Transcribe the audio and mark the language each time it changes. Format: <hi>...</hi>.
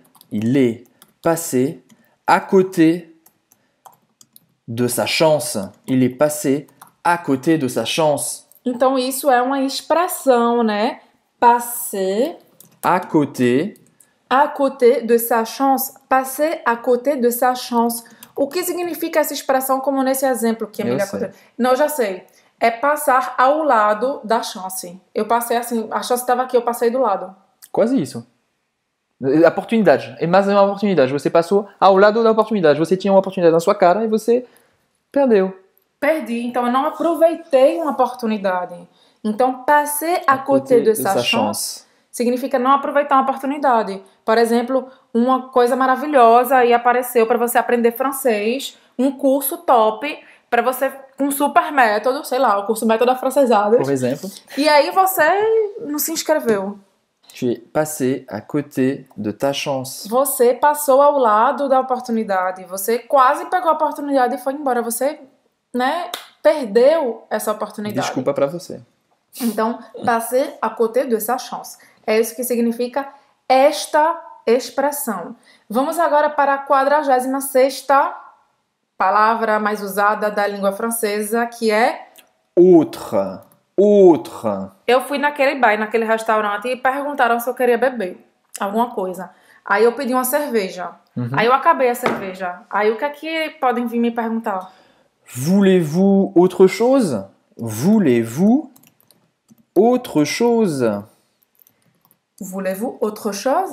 <fr>Il est passé à côté de sa chance. Il est passé à côté de sa chance.</fr> <pt>Então, isso é uma expressão, né?</pt> <fr>Passer. À côté de sa chance. Passer à côté de sa chance.</fr> <pt>O que significa essa expressão, como nesse exemplo que é melhor contar? Não, eu já sei. É passar ao lado da chance. Eu passei assim, a chance estava aqui, eu passei do lado. Quase isso. Oportunidade. É mais uma oportunidade. Você passou ao lado da oportunidade. Você tinha uma oportunidade na sua cara e você perdeu. Perdi. Então, eu não aproveitei uma oportunidade. Então,</pt> <fr>passer à côté de sa chance</fr> <pt>significa não aproveitar uma oportunidade. Por exemplo, uma coisa maravilhosa aí apareceu para você aprender francês. Um curso top para você... Um super método, sei lá, o curso método afrancesado. Por exemplo. E aí você não se inscreveu.</pt> <fr>Tu es passé à côté de ta chance.</fr> <pt>Você passou ao lado da oportunidade. Você quase pegou a oportunidade e foi embora. Você, né, perdeu essa oportunidade. Desculpa pra você. Então,</pt> <fr>passé à côté de sa chance.</fr> <pt>É isso que significa esta expressão. Vamos agora para a 46ª palavra mais usada da língua francesa, que é...</pt> <fr>Outre. Outre.</fr> <pt>Eu fui naquele bar, naquele restaurante, e perguntaram se eu queria beber alguma coisa. Aí eu pedi uma cerveja. Uhum. Aí eu acabei a cerveja. Aí o que é que podem vir me perguntar?</pt> <fr>Voulez-vous autre chose? Voulez-vous autre chose? Voulez-vous autre chose?</fr>